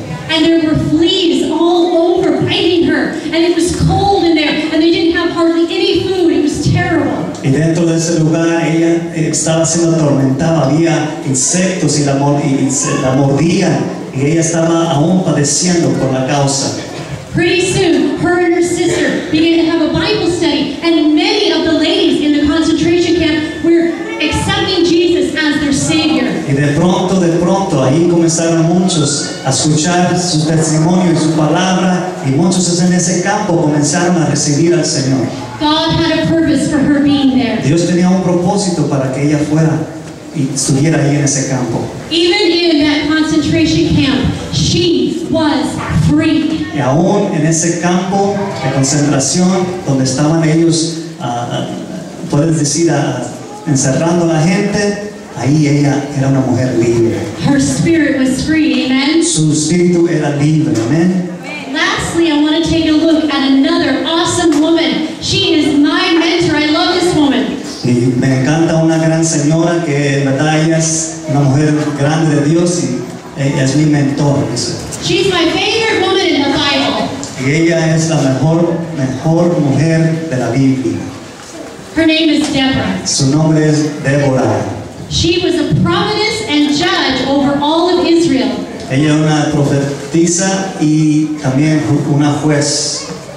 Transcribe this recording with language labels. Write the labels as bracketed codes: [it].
[en] And there were fleas all over biting her, and it was cold in there, and they didn't have hardly any food. It was terrible. [es] Y dentro de ese lugar ella estaba siendo atormentada, había insectos y la mordían, y ella estaba aún padeciendo por la causa. [en] Pretty soon, her and her sister began to have a Bible study, and many of the ladies in the concentration camp were accepting Jesus as their Savior. [es] Y de pronto, ahí comenzaron muchos a escuchar su testimonio y su palabra, y muchos en ese campo comenzaron a recibir al Señor. [en] God had a purpose for her being there. [es] Dios tenía un propósito para que ella fuera y estuviera ahí en ese campo. [en] Even in that concentration camp, she was free. [es] Y aún en ese campo de concentración donde estaban ellos, puedes decir, encerrando a la gente, ahí ella era una mujer libre. [en] Her spirit was free, amen. [es] Su espíritu era libre, amen. [en] Lastly, I want to take a look at another awesome woman. She is my mentor. I love this woman. [es] Y me encanta una gran señora que en verdad ella es una mujer grande de Dios y es mi mentor. [en] She's my favorite woman in the Bible. [es] Y ella es la mejor mujer de la Biblia. [en] Her name is Deborah. [es] Su nombre es Deborah. [en] She was a prophetess and judge over all of Israel. [es] Ella era una profetisa y también una juez.